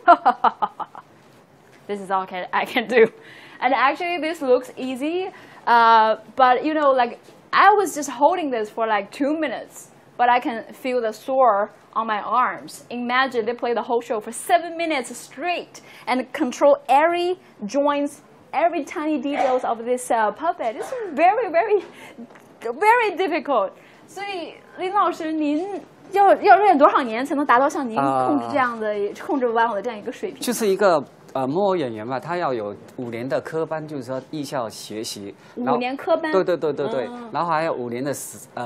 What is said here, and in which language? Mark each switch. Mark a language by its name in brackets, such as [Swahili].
[Chinese] 我也可以动它的头吗？来，可以，左右晃动，这左右晃动就是动它的头，对对对。嗯，这样吗？对对对。嗯，哈哈哈哈哈，嗯，哈哈哈哈哈。This [English] is all I can do, and actually this looks easy, but you know, like I was just holding this for like 2 minutes, but I can feel the sore on my arms. Imagine they play the whole show for 7 minutes straight and control every joints, every tiny details of this puppet. It's very, very, very difficult. [Chinese] So, Lin 老师，您要练多少年才能达到像您控制这样的玩偶的这样一个水平？就是一个木偶演员吧，他要有五年的科班，就是说艺校学习。五年科班。对对对对对，然后还有五年的实。